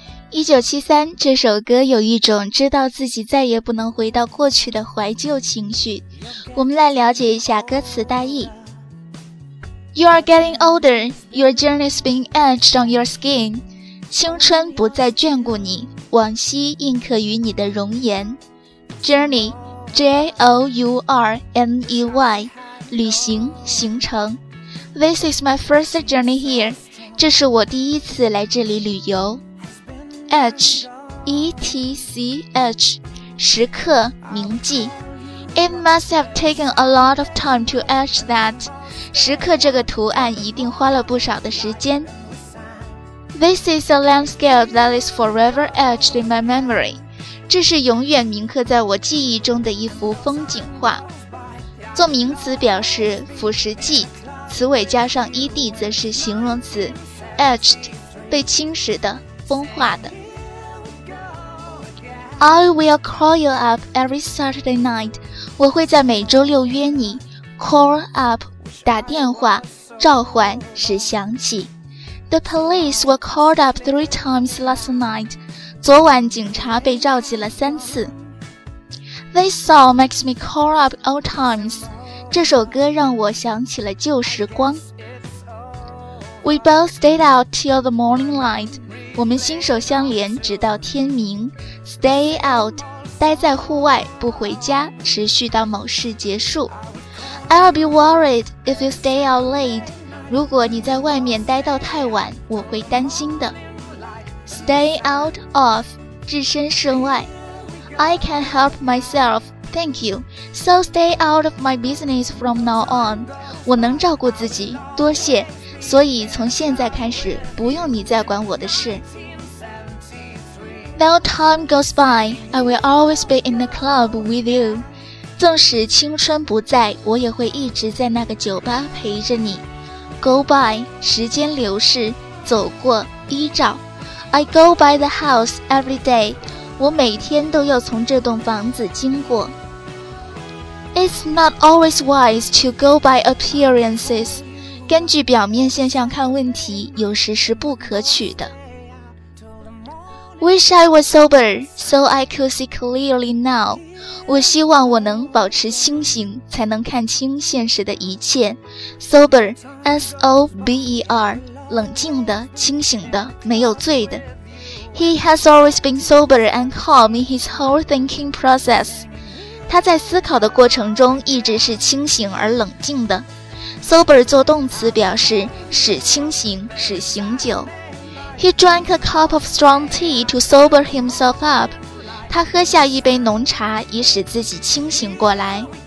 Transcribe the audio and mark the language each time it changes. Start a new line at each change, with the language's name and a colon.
Chinese: 1973这首歌有一种知道自己再也不能回到过去的怀旧情绪。我们来了解一下歌词大意。
English: You are getting older, your journey's been etched on your skin.
Chinese: 青春不再眷顾你，往昔印刻于你的容颜。
English: Journey, J-O-U-R-N-E-Y,
Chinese: 旅行、行程。
English: This is my first journey here.
Chinese: 这是我第一次来这里旅游。
English: Etch, E-T-C-H,
Chinese: 时刻、铭记。
English: It must have taken a lot of time to etch that.
Chinese: 时刻这个图案一定花了不少的时间。
English: This is a landscape that is forever etched in my memory.
Chinese: 这是永远铭刻在我记忆中的一幅风景画。做名词表示腐蚀剂，词尾加上 ed 则是形容词 etched, 被侵蚀的、风化的。
English: I will call you up every Saturday night.
Chinese: 我会在每周六约你。Call up, 打电话、召唤、使响起。
English: The police were called up 3 times last night.
Chinese: 昨晚警察被召集了三次。
English: This song makes me call up old times.
Chinese: 这首歌让我想起了旧时光。
English: We both stayed out till the morning light.
Chinese: 我们心手相连直到天明。 Stay out, 待在户外不回家，持续到某事结束。
English: I'll be worried if you stay out late.
Chinese: 如果你在外面待到太晚，我会担心的。
English: Stay out of,
Chinese: 置身事外。
English: I can't help myself, thank you. So stay out of my business from now on.
Chinese: 我能照顾自己，多谢，所以从现在开始不用你再管我的事。
English: Though time goes by, I will always be in the club with you.
Chinese: 纵使青春不在，我也会一直在那个酒吧陪着你。 Go by, 时间流逝，走过，依照。
English: I go by the house every day.
Chinese: 我每天都要从这栋房子经过。
English: It's not always wise to go by appearances.
Chinese: 根据表面现象看问题，有时是不可取的。
English: Wish I was sober, so I could see clearly now.
Chinese: 我希望我能保持清醒，才能看清现实的一切。
English: Sober, S-O-B-E-R,
Chinese: 冷静的、清醒的、没有罪的。
English: He has always been sober and calm in his whole thinking process.
Chinese: 他在思考的过程中一直是清醒而冷静的。 Sober 做动词表示使清醒、使醒酒。
English: He drank a cup of strong tea to sober himself up.
Chinese: 他喝下一杯浓茶以使自己清醒过来。